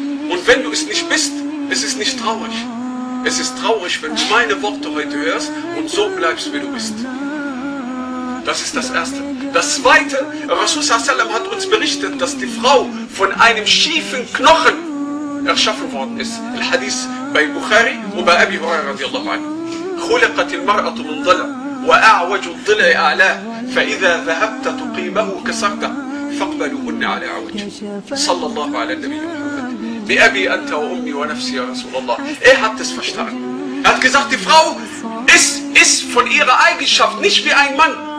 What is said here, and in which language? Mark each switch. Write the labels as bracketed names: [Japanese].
[German] Und wenn du es nicht bist, es ist nicht traurig. Es ist traurig, wenn du meine Worte heute hörst und so bleibst, wie du bist. Das ist das Erste. Das Zweite, Rasul hat uns berichtet, dass die Frau von einem schiefen Knochen erschaffen worden ist. Im Hadith bei Bukhari und bei Abi Huraira radiallahu anhu. [Arabic] خُلِقَتْ الْمَرْأَةُ مِنْ ضَلَعٍ وَأَعْوَجُ الضِّلْعِ أَعْلَاهُ فَإِذَا ذَهَبْتَ تُقِيمَهُ كَسَرْتَهُ فَاقْبَلُهُنَّ عَلَى عَوْجِهِ صلى الله على النبي محمد بأبي أنت وأمي ونفسي يا رسول الله. [German] Er hat es verstanden. Er hat gesagt, die Frau ist von ihrer Eigenschaft nicht wie ein Mann.